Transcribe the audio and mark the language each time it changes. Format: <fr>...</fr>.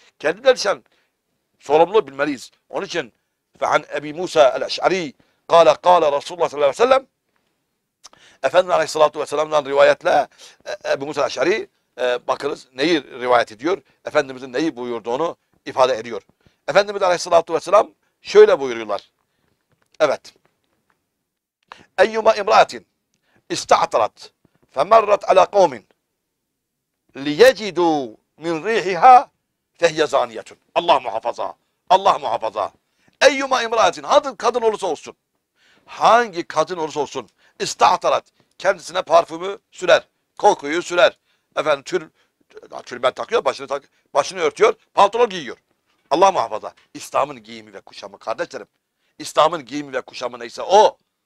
<tr>Kendimden için sorumluluğu bilmeliyiz. Onun için</tr> <ar>فَعَنْ اَبِي مُوسَى الْاَشْعَرِي قَالَ قَالَ رَسُولُ اللّٰهِ سَلَّهِ وَسَلَّمْ</ar> <tr>Efendimiz Aleyhisselatü Vesselam'dan rivayetle Ebu Musa el-Eş'ari bakınız neyi rivayet ediyor, Efendimizin neyi buyurduğunu ifade ediyor. Efendimiz Aleyhisselatü Vesselam şöyle buyuruyorlar. Evet.</tr> <ar>اَيُّمَا اِمْرَاتٍ اِسْتَعْتَرَتْ فَمَرَّتْ عَلَى قَوْمٍ لِيَجِدُوا مِنْ رِيحِهَا فَهِيَ زَانِيَةٌ</ar> <tr>Allah muhafaza, Allah muhafaza.</tr> <ar>اَيُّمَا اِمْرَاتٍ</ar> <tr>Hangi kadın olursa olsun, hangi kadın olursa olsun, İstahtarat, kendisine parfümü sürer, kokuyu sürer. Efendim türben takıyor, başını örtüyor, pantolon giyiyor. Allah muhafaza. İslam'ın giyimi ve kuşamı kardeşlerim. İslam'ın giyimi ve kuşamı neyse o.</tr>